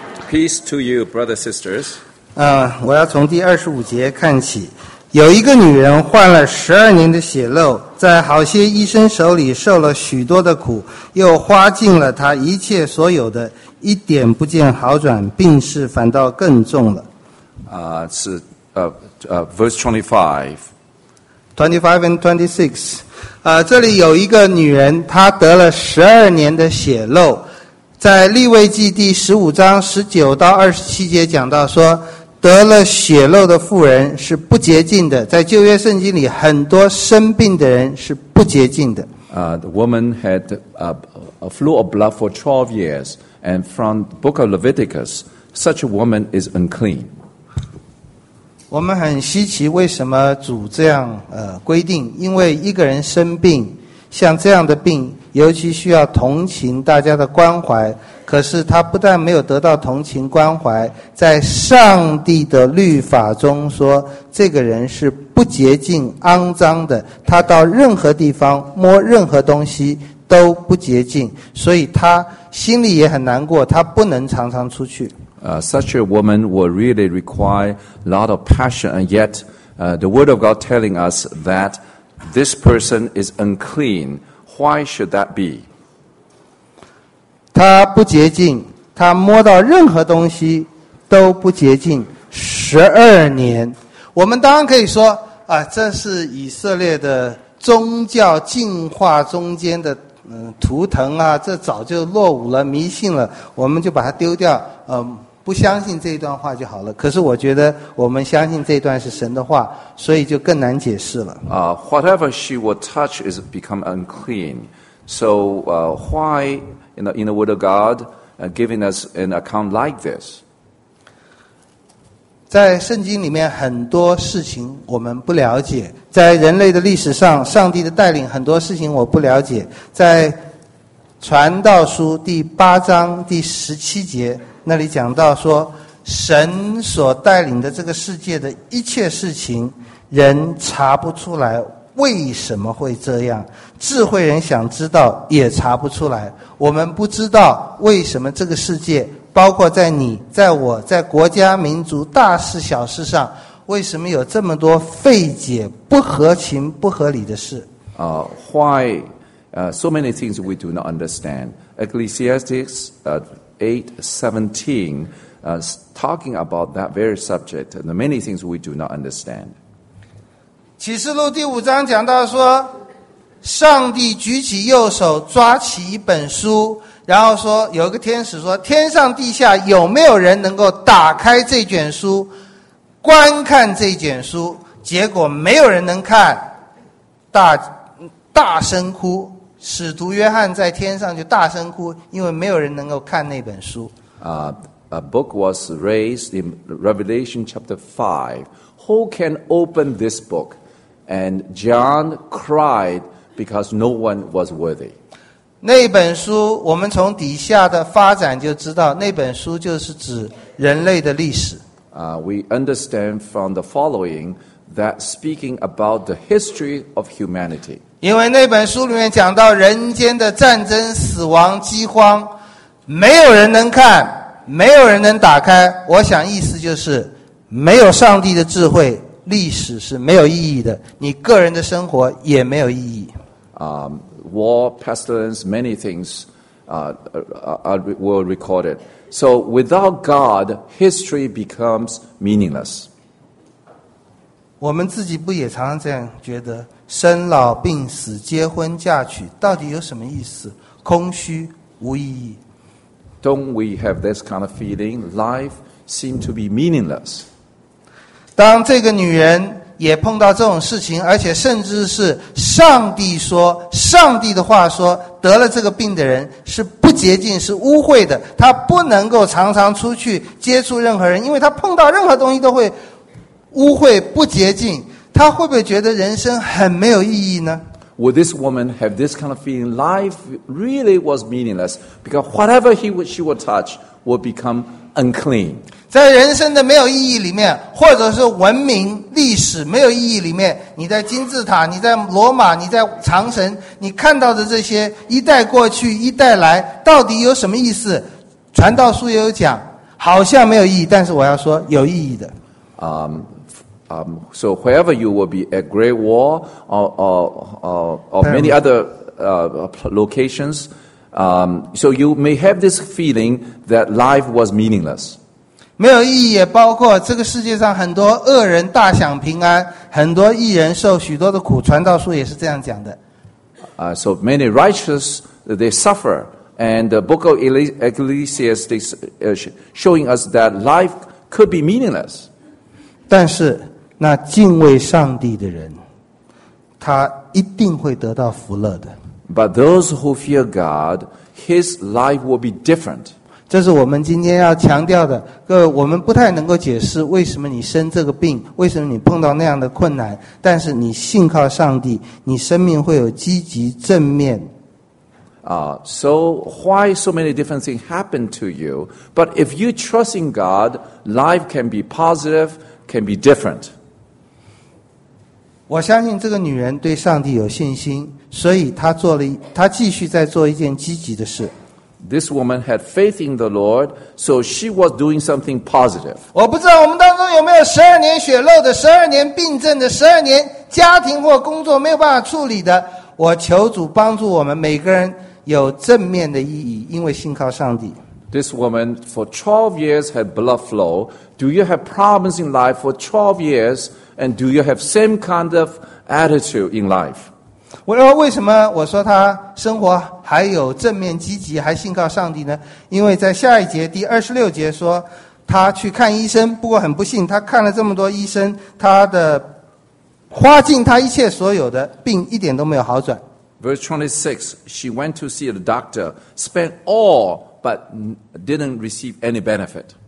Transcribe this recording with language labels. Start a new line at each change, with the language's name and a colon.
English: Peace to you, brothers sisters.
Chinese: 我要从第二十五节看起。有一个女人患了十二年的血漏，在好些医生手里受了许多的苦，又花尽了她一切所有的，一点不见好转，病势反倒更重了。
English: verse 25 and 26。
Chinese: 这里有一个女人，她得了十二年的血漏，在利未记第十五章十九到二十七节讲到说，得了血漏的妇人是不洁净的。在旧约圣经里，很多生病的人是不洁净的。
English: The woman had a flow of blood for 12 years, and from the book of Leviticus, such a woman is unclean.
Chinese: 我们很稀奇，为什么主这样规定？因为一个人生病，像这样的病，尤其需要同情大家的关怀。可是他不但没有得到同情关怀，在上帝的律法中说，这个人是不洁净、肮脏的。他到任何地方摸任何东西都不洁净，所以他心里也很难过，他不能常常出去。
English: Such a woman will really require a lot of passion, and yet, the Word of God telling us that this person is unclean. Why should that be?
Chinese: 他不洁净，他摸到任何东西都不洁净，十二年。我们当然可以说，这是以色列的宗教进化中间的图腾啊，这早就落伍了，迷信了，我们就把它丢掉，不相信这一段话就好了。可是我觉得我们相信这一段是神的话，所以就更难解释了。
English: Whatever she will touch is become unclean. So why, in the word of God, giving us an account like this?
Chinese: 在圣经里面很多事情我们不了解，在人类的历史上，上帝的带领很多事情我不了解。在传道书第八章第十七节那里讲到说，神所带领的这个世界的一切事情，人查不出来为什么会这样，智慧人想知道也查不出来。我们不知道为什么这个世界，包括在你在我在国家民族大事小事上，为什么有这么多费解不合情不合理的事。
English: Why so many things we do not understand. Ecclesiastes 8:17, talking about that very subject, and the many things we do not understand.
Chinese: 启示录第五章讲到说，上帝举起右手抓起一本书，然后说，有一个天使说，天上地下有没有人能够打开这卷书，观看这卷书？结果没有人能看，大声哭。使徒约翰在天上就大声哭，因为没有人能够看那本书。
English: A book was raised in Revelation chapter 5. Who can open this book? And John cried because no one was worthy.
Chinese: 那本书，我们从底下的发展就知道，那本书就是指人类的历史。
English: We understand from the following that speaking about the history of humanity.
Chinese: 因为那本书里面讲到人间的战争、死亡、饥荒，没有人能看，没有人能打开。我想意思就是没有上帝的智慧，历史是没有意义的，你个人的生活也没有意义。
English: War, pestilence, many things were recorded. So without God, history becomes meaningless.
Chinese: 我们自己不也常常这样觉得，生老病死、结婚嫁娶，到底有什么意思？空虚无意义。
English: Don't we have this kind of feeling? Life seems to be meaningless.
Chinese: 当这个女人也碰到这种事情，而且甚至是上帝说，上帝的话说，得了这个病的人是不洁净，是污秽的，他不能够常常出去接触任何人，因为他碰到任何东西都会污秽不洁净，他会不会觉得人生很没有意义呢？
English: Would this woman have this kind of feeling? Life really was meaningless because whatever she would touch would become unclean.
Chinese: 在人生的没有意义里面，或者是文明历史没有意义里面，你在金字塔，你在罗马，你在长城，你看到的这些一代过去一代来，到底有什么意思？传道书也有讲，好像没有意义，但是我要说有意义的。
English: So wherever you will be, a great war or many other locations, so you may have this feeling that life was meaningless.
Chinese: 没有意义，也包括这个世界上很多恶人大享平安，很多义人受许多的苦。传道书也是这样讲的。
English: So many righteous they suffer, and the book of Ecclesiastes is showing us that life could be meaningless.
Chinese: 但是那敬畏上帝的人，他一定会得到福乐的。
English: But those who fear God, his life will be different.
Chinese: 这是我们今天要强调的，各位，我们不太能够解释为什么你生这个病，为什么你碰到那样的困难，但是你信靠上帝，你生命会有积极正面。
English: So why so many different things happen to you? But if you trust in God, life can be positive, can be different.
Chinese: 我相信这个女人对上帝有信心，所以她做了，她继续在做一件积极的事。
English: This woman had faith in the Lord, so she was doing something positive.
Chinese: 我不知道我们当中有没有十二年血漏的，十二年病症的，十二年家庭或工作没有办法处理的。我求主帮助我们每个人有正面的意义，因为信靠上帝。
English: This woman for 12 years had blood flow. Do you have problems in life for 12 years? And do you have same kind of attitude in life?
Chinese: 我说为什么我说他生活还有正面积极还信靠上帝呢？因为在下一节第26节说他去看医生，不过很不幸他看了这么多医生，他的花尽他一切所有的病一点都没有好转。
English: Verse 26 She went to see the doctor, spent all but didn't receive any benefit.